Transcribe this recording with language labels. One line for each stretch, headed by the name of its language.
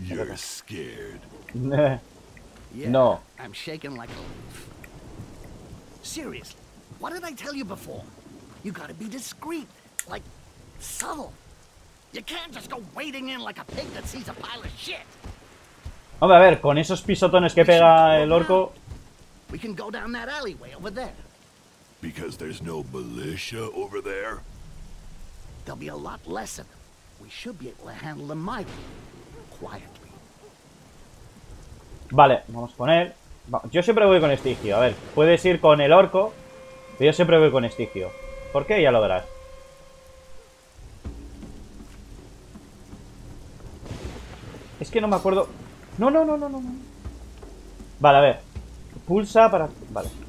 English: You're scared. No. I'm shaking like a leaf. Seriously, what did I tell you before? You gotta be discreet, like subtle. You can't just go wading in like a pig that sees a pile of shit.
Spanish: Hombre, a ver, con esos pisotones que pega el orco.
English: We can go down that alleyway over there. Because there's no militia over there. There'll be a lot less of them. We should be able to handle them mightily, quietly.
Spanish: Vale, vamos con él. Yo siempre voy con Estigio. A ver, puedes ir con el orco, pero yo siempre voy con Estigio. ¿Por qué? Ya lo verás. Es que no me acuerdo. No, no, no, no, no. Vale, a ver. Pulsa para. Vale.